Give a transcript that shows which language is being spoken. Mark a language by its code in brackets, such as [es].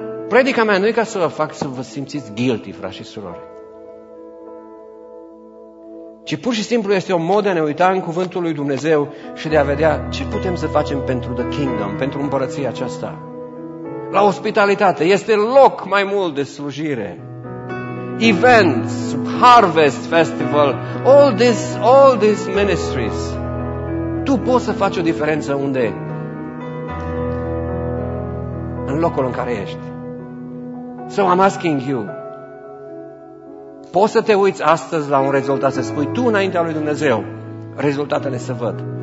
[ro] Predica mea nu e ca să vă fac să vă simțiți guilty, frați și surori. Ci pur și simplu este o mod de a ne uita în cuvântul lui Dumnezeu și de a vedea ce putem să facem pentru [en] the kingdom, [ro] pentru împărăția aceasta. La ospitalitate este loc mai mult de slujire. [en] Events, Harvest Festival, all these ministries. [ro] Tu poți să faci o diferență unde? În locul în care ești. [en] So I'm asking you. [ro] Poți să te uiți astăzi la un rezultat, să spui tu înaintea lui Dumnezeu, rezultatele să văd.